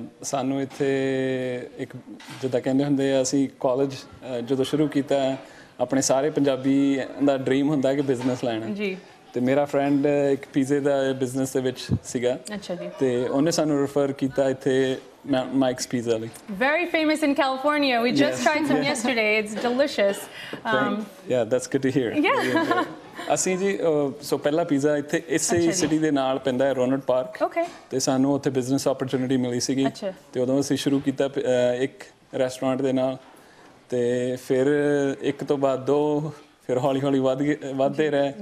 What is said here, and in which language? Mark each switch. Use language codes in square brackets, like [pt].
[pa] ਸਾਨੂੰ ਇੱਥੇ ਇੱਕ ਜਿੱਦਾਂ ਕਹਿੰਦੇ ਹੁੰਦੇ ਆ, ਅਸੀਂ ਕਾਲਜ ਜਦੋਂ ਸ਼ੁਰੂ ਕੀਤਾ, ਆਪਣੇ ਸਾਰੇ ਪੰਜਾਬੀ ਦਾ ਡ੍ਰੀਮ ਹੁੰਦਾ ਕਿ ਬਿਜ਼ਨਸ ਲੈਣਾ ਜੀ। ਅਤੇ ਮੇਰਾ ਫਰੈਂਡ ਇੱਕ ਪੀਜ਼ੇ ਦਾ ਬਿਜ਼ਨਸ ਦੇ ਵਿੱਚ ਸੀਗਾ। ਅੱਛਾ ਜੀ। ਅਤੇ ਉਹਨੇ ਸਾਨੂੰ ਰੈਫਰ ਕੀਤਾ ਇੱਥੇ Mike's Pizza. [en] Very famous in California. We just tried some yesterday. It's delicious. Yeah, that's good to hear. Yeah. [pa] ਅਸੀਂ ਜੀ, ਸੋ ਪਹਿਲਾ ਪੀਜ਼ਾ ਇੱਥੇ ਇਸੇ ਸਿਟੀ ਦੇ ਨਾਲ ਪੈਂਦਾ ਹੈ, ਰੋਨਟ ਪਾਰਕ। ਅਤੇ ਸਾਨੂੰ ਉੱਥੇ ਬਿਜ਼ਨਸ ਓਪਰਚੁਨਿਟੀ ਮਿਲੀ ਸੀਗੀ ਅਤੇ ਉਦੋਂ ਅਸੀਂ ਸ਼ੁਰੂ ਕੀਤਾ ਇੱਕ ਰੈਸਟੋਰੈਂਟ ਦੇ ਨਾਲ, ਅਤੇ ਫਿਰ ਇੱਕ ਤੋਂ ਬਾਅਦ ਦੋ, ਫਿਰ ਹੌਲੀ ਹੌਲੀ ਵੱਧ ਗਏ, ਵੱਧਦੇ ਰਹੇ